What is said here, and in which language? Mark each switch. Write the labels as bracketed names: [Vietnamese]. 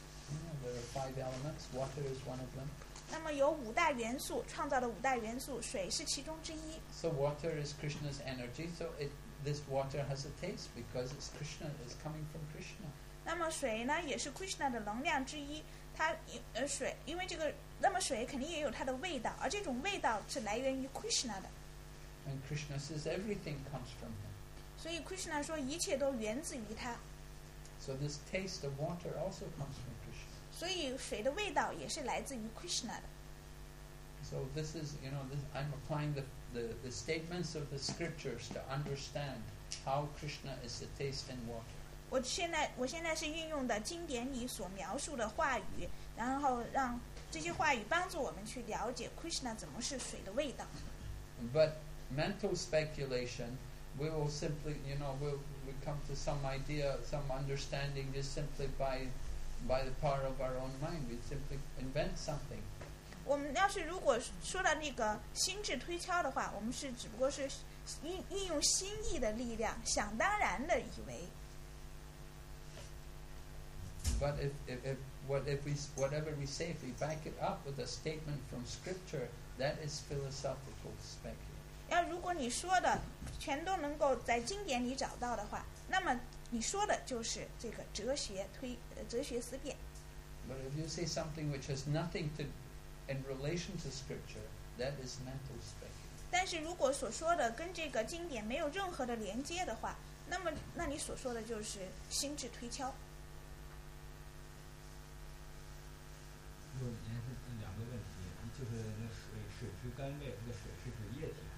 [English] Yeah, there are five elements. Water is one of them. [Chinese] 那么有五大元素创造的五大元素，水是其中之一。 [English] So water is Krishna's energy. So this water has a taste because it's Krishna. It's coming from Krishna. [Chinese] 那么水呢，也是 Krishna 的能量之一。它水，因为这个，那么水肯定也有它的味道，而这种味道是来源于 Krishna 的。 [English] And Krishna says everything comes from him. [Chinese] 所以 Krishna 说一切都源自于他。 [English] So this taste of water also comes from Krishna. [Chinese] 所以水的味道也是来自于 Krishna 的。 [English] So this is, you know, this, I'm applying the statements of the scriptures to understand how Krishna is the taste in water. [Chinese] 我现在是运用的经典里所描述的话语，然后让这些话语帮助我们去了解 Krishna 怎么是水的味道。 [English] But mental speculation, we will simply, you know, we come to some idea, some understanding just simply by the power of our own mind. We simply invent something. [Chinese] 我们要是如果说到那个心智推敲的话，我们是只不过是运用心意的力量，想当然的以为。 [English] But if whatever we say, if we back it up with a statement from scripture, that is philosophical speculation. [Chinese] 要如果你说的全都能够在经典里找到的话，那么你说的就是这个哲学思辨。 [English] But if you say something which has nothing to in relation to scripture, that is mental speculation. [Chinese] 但是如果所说的跟这个经典没有任何的连接的话，那你所说的就是心智推敲。如果你今天是两个问题，就是水是干裂，这个水是液体。